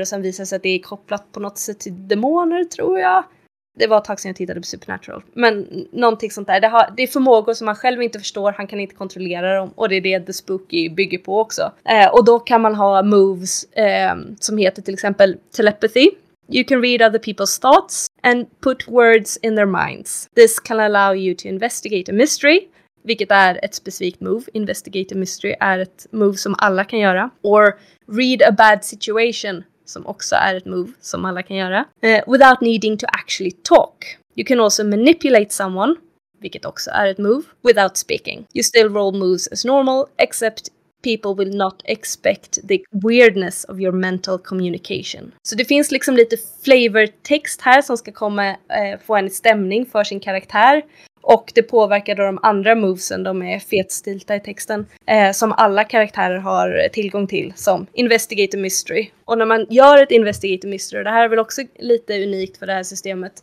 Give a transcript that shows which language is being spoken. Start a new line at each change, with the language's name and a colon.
Swedish: Och sen visar sig att det är kopplat på något sätt till demoner, tror jag. Det var ett tag sedan jag tittade på Supernatural. Men någonting sånt där. Det är förmågor som man själv inte förstår. Han kan inte kontrollera dem. Och det är det The Spooky bygger på också. Och då kan man ha moves som heter till exempel telepathy.
English: You can read other people's thoughts and put words in their minds. This can allow you to investigate a mystery.
Swedish: Vilket är ett specifikt move. Investigate a mystery är ett move som alla kan göra.
English: Or read a bad situation.
Swedish: Som också är ett move som alla kan göra.
English: Without needing to actually talk. You can also manipulate someone.
Swedish: Vilket också är ett move.
English: Without speaking. You still roll moves as normal. Except people will not expect the weirdness of your mental communication.
Swedish: Så det finns liksom lite flavor text här. Som ska komma få en stämning för sin karaktär. Och det påverkar då de andra movesen. De är fetstilta i texten. Som alla karaktärer har tillgång till. Som investigate a mystery. Och när man gör ett investigate a mystery. Det här är väl också lite unikt för det här systemet.